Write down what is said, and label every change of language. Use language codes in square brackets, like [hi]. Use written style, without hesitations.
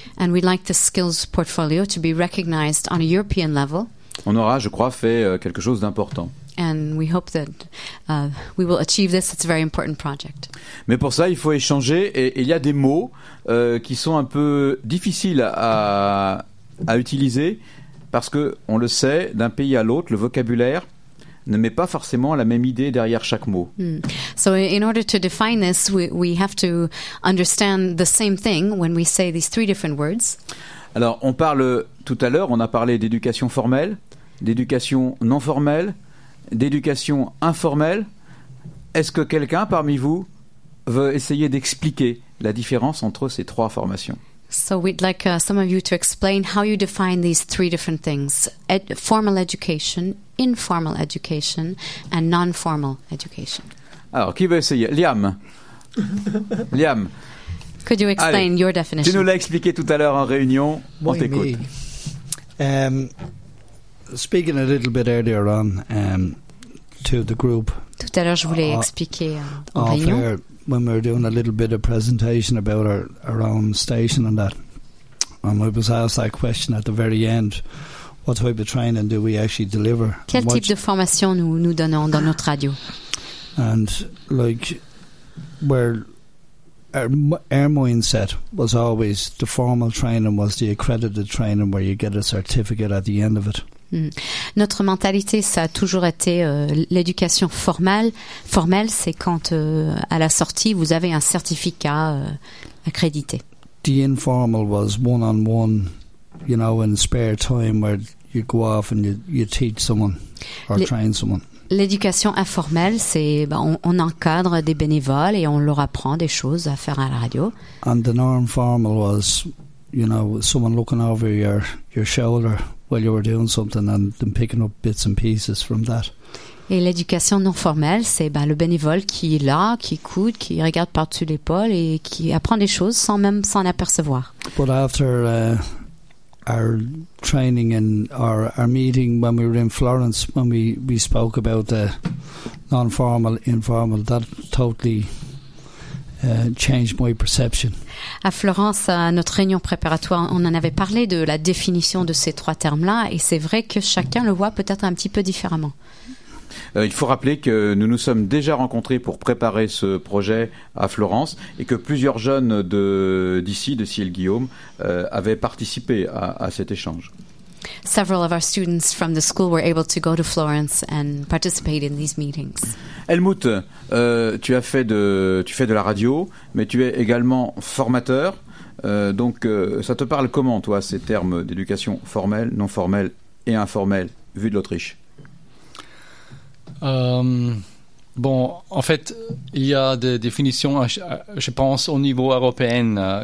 [en] and we'd like the skills portfolio to be recognized on a European level, [fr] on aura, je crois, fait quelque chose d'important. [en] And we hope that we will achieve this. It's a very important project. [fr] Mais pour ça, il faut échanger et il y a des mots qui sont un peu difficiles à utiliser parce que on le sait, d'un pays à l'autre, le vocabulaire ne met pas forcément la même idée derrière chaque mot. [en] So in order to define this, we have to understand the same thing when we say these 3 different words. [fr] Alors, on parle tout à l'heure, on a parlé d'éducation formelle, d'éducation non formelle, d'éducation informelle. Est-ce que quelqu'un parmi vous veut essayer d'expliquer la différence entre ces 3 formations? [en] So we'd like some of you to explain how you define these 3 different things: formal education, informal education and non-formal education. [fr] Alors, qui veut essayer? Liam. Liam. [en] Could you explain [fr] Allez, [en] your definition? [fr] Tu nous l'as expliqué tout à l'heure en réunion. On t'écoute. [en] Speaking a little bit earlier on to the group. [fr] Tout à l'heure, je voulais expliquer en réunion. [en] Air, when we were doing a little bit of presentation about our own station and that, and I was asked that question at the very end: what type of training do we actually deliver? [fr] Quel type de formation nous donnons dans notre radio? [en] And like, where our mindset was always the formal training was the accredited training where you get a certificate at the end of it. [fr] Notre mentalité, ça a toujours été l'éducation formelle, c'est quand à la sortie vous avez un certificat accrédité. [en] The informal was one-on-one, you know, in spare time where you go off and you teach someone or train someone. [fr] L'éducation informelle, c'est on encadre des bénévoles et on leur apprend des choses à faire à la radio. [en] And the non-formal was, you know, someone looking over your shoulder while you were doing something and then picking up bits and pieces from that. [fr] Et l'éducation non formelle, c'est le bénévole qui est là, qui écoute, qui regarde par-dessus l'épaule et qui apprend des choses sans même s'en apercevoir. [en] But after our training and our meeting when we were in Florence, when we spoke about the non-formal, informal, that totally changed my perception. [fr] À Florence, à notre réunion préparatoire, on en avait parlé de la définition de ces 3 termes-là, et c'est vrai que chacun le voit peut-être un petit peu différemment. Il faut rappeler que nous nous sommes déjà rencontrés pour préparer ce projet à Florence et que plusieurs jeunes d'ici, de Ciel Guillaume, avaient participé à cet échange. [en] Several of our students from the school were able to go to Florence and participate in these meetings. [fr] Helmut, tu fais de la radio, mais tu es également formateur. Donc, ça te parle comment, toi, ces termes d'éducation formelle, non formelle et informelle, vu de l'Autriche ? Bon, en fait, il y a des définitions, je pense, au niveau européen.